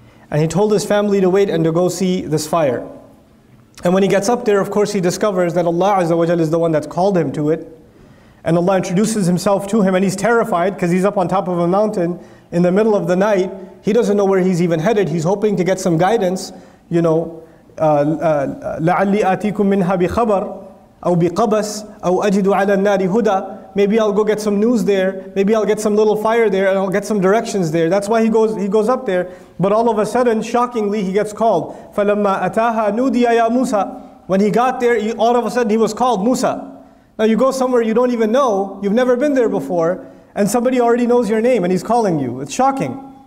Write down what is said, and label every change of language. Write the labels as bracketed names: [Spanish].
[English] And he told his family to wait and to go see this fire. And when he gets up there, of course, he discovers that Allah Azza wa Jal is the one that's called him to it. And Allah introduces himself to him, and he's terrified because he's up on top of a mountain in the middle of the night. He doesn't know where he's even headed. He's hoping to get some guidance, you know, [Arabic] لعلي آتيكم منها بخبر أو بقبس أو أجد على النار هدى. [English] Maybe I'll go get some news there. Maybe I'll get some little fire there and I'll get some directions there. That's why he goes up there. But all of a sudden, shockingly, he gets called. [Arabic] فَلَمَّا أَتَاهَا نُودِيَ يَا مُوسَى. [English] When he got there, all of a sudden he was called Musa. Now you go somewhere you don't even know, you've never been there before, and somebody already knows your name and he's calling you. It's shocking.